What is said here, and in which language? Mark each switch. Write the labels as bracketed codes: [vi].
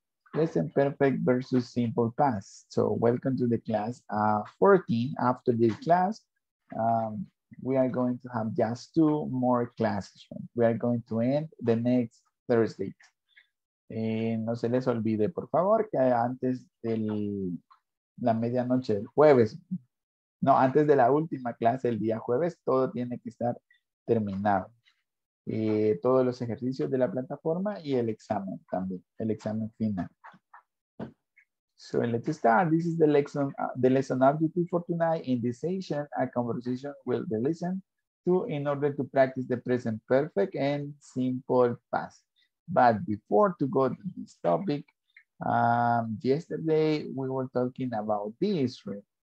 [en] Present perfect versus simple past. So welcome to the class 14. After this class, we are going to have just two more classes. We are going to end the next Thursday. [es] No se les olvide, por favor, que antes del... la medianoche del jueves, no, antes de la última clase el día jueves, todo tiene que estar terminado. Todos los ejercicios de la plataforma y el examen también, el examen final. [en] So let's start. This is the lesson objective for tonight. In this session, a conversation will be listened to in order to practice the present perfect and simple past. But before to go to this topic, yesterday we were talking about this, right?